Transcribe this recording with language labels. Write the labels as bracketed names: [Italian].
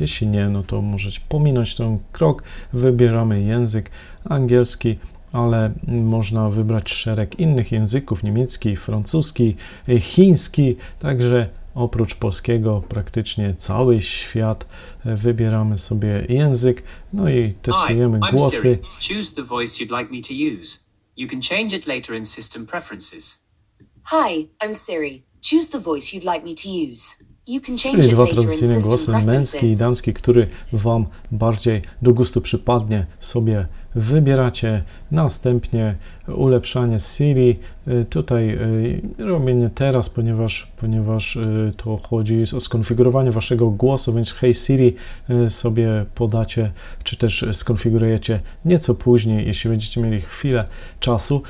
[Polish] Jeśli nie, no to możecie pominąć ten krok. Wybieramy język angielski, ale można wybrać szereg innych języków: niemiecki, francuski, chiński, także oprócz polskiego praktycznie cały świat. Wybieramy sobie język, no i testujemy głosy. [English] Choose the voice you'd like me to use. You can change it later in system preferences. Hi, I'm Siri. Choose the voice you'd like me to use. You can change it later in system preferences. [Polish] Czyli dwa głosy, męski i damski, który Wam bardziej do gustu przypadnie, sobie wybieracie. Następnie ulepszanie Siri. Tutaj robię nie teraz, ponieważ to chodzi o skonfigurowanie waszego głosu, więc Hey Siri sobie podacie, czy też skonfigurujecie nieco później, jeśli będziecie mieli chwilę czasu.